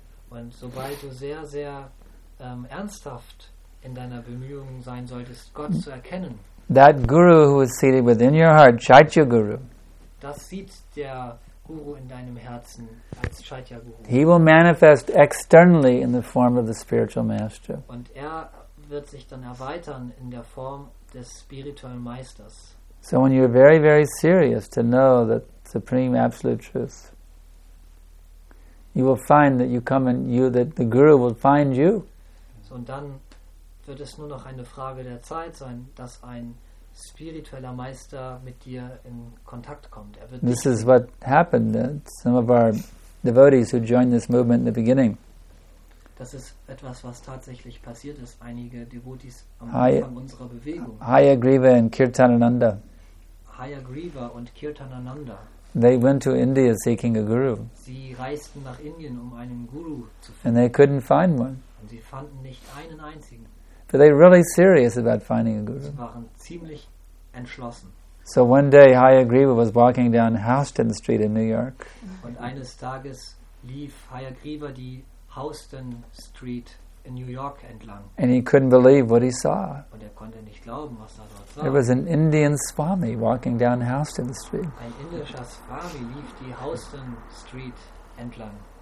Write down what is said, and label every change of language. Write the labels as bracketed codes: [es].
[de] Und sobald du sehr, sehr ernsthaft in deiner Bemühung sein solltest, Gott zu erkennen. [en] That guru who is seated within your heart, Chaitya Guru. [de] Das sieht der Guru in deinem Herzen als Chaitya Guru. [en] He will manifest externally in the form of the spiritual master. [de] Und er wird sich dann erweitern in der Form des spirituellen Meisters. [en] So when you're very, very serious to know the supreme absolute truth, you will find that you come and you that the guru will find you. [de] So, und dann wird es nur noch eine Frage der Zeit sein, dass ein spiritueller Meister mit dir in Kontakt kommt. Er wird [en] This is what happened. Some of our devotees who joined this movement in the beginning. [de] Das ist etwas, was tatsächlich passiert ist. Einige Devotees am Anfang unserer Bewegung. [en] Hayagriva and Kirtanananda. [de] Hayagriva und Kirtanananda. [en] They went to India seeking a guru. [de] Sie reisten nach Indien, um einen Guru zu finden. [en] And they couldn't find one. [de] Und sie fanden nicht einen einzigen. [en] But they were really serious about finding a guru. [de] Sie waren ziemlich entschlossen. [en] So one day Hayagriva was walking down Houston Street in New York. [de] Und eines Tages lief Hayagriva die Houston Street in New York entlang. [en] And he couldn't believe what he saw. [de] Und er konnte nicht glauben, was er dort sah. [en] There was an Indian Swami walking down Houston Street. [de] Ein indischer Swami lief die Houston Street entlang.